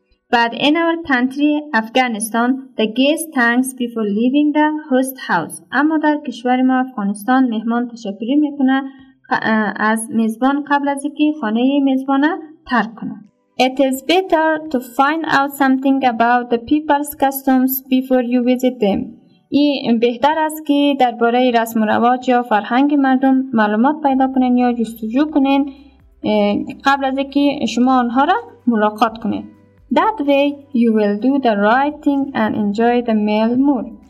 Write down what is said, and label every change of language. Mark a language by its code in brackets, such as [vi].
[en] But in our country, Afghanistan, the guest thanks before leaving the host house. [fa] اما در کشور ما افغانستان مهمان تشکری میکنه از میزبان قبل از اینکه خانه میزبان ترک کنه. [en] It is better to find out something about the people's customs before you visit them. [fa] این بهتر است که درباره رسم و رواج یا فرهنگ مردم معلومات پیدا کنین یا جستجو کنین قبل از اینکه شما آنها را ملاقات کنین. [en] That way you will do the right thing and enjoy the meal more.